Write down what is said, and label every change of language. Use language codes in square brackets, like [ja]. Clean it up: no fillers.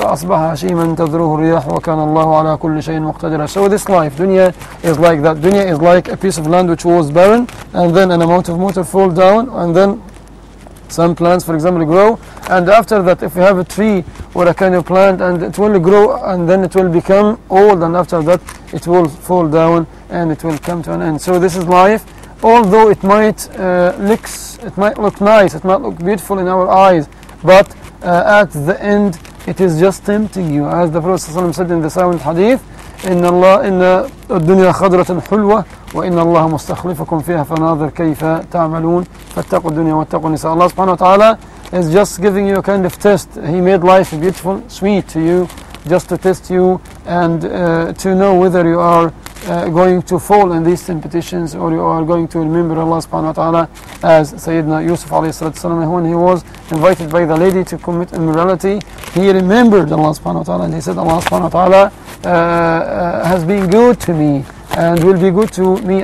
[ar] فأصبح هشيما تذروه الرياح وكان الله على كل شيء مقتدرا. [en] So this life, dunya is like that. Dunya is like a piece of land which was barren, and then an amount of water fall down, and then some plants, for example, grow. And after that, if you have a tree or a kind of plant, and it will grow, and then it will become old, and after that, it will fall down, and it will come to an end. So this is life. Although it might look nice, it might look beautiful in our eyes, but at the end, it is just tempting you. As the Prophet ﷺ said in the seventh hadith, [ar] إن الله إن الدنيا خضرة حلوة وإن الله مستخلفكم فيها فناظر كيف تعملون فاتقوا الدنيا واتقوا النساء. [en] Allah [ar] سبحانه وتعالى [en] is just giving you a kind of test. He made life beautiful, sweet to you, just to test you and to know whether you are going to fall in these temptations or you are going to remember Allah [ar] سبحانه وتعالى. [en] As Sayyidina Yusuf [ar] عليه الصلاة والسلام, [en] when he was invited by the lady to commit immorality, he remembered Allah [ar] سبحانه وتعالى [en] and he said, Allah سبحانه وتعالى has been good to me and will be good to me.